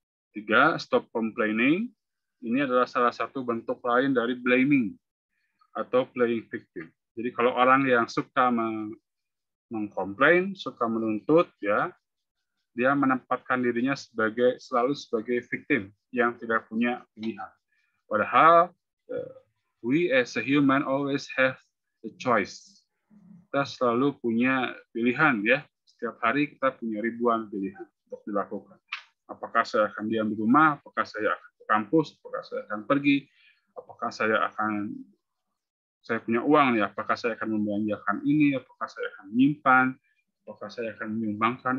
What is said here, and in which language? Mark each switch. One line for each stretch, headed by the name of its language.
Indonesian: Tiga,
English: stop complaining.
Indonesian: Ini adalah salah satu bentuk lain dari blaming atau playing victim. Jadi kalau orang yang suka mengcomplain, suka menuntut, ya, dia menempatkan dirinya sebagai selalu sebagai victim yang tidak punya pilihan. Padahal
English: we as a human always have the choice.
Indonesian: Kita selalu punya pilihan, ya. Setiap hari kita punya ribuan pilihan untuk dilakukan. Apakah saya akan diam di rumah? Apakah saya akan ke kampus? Apakah saya akan pergi? Apakah saya akan saya punya uang, ya? Apakah saya akan membelanjakan ini? Apakah saya akan menyimpan? Apakah saya akan menyumbangkan?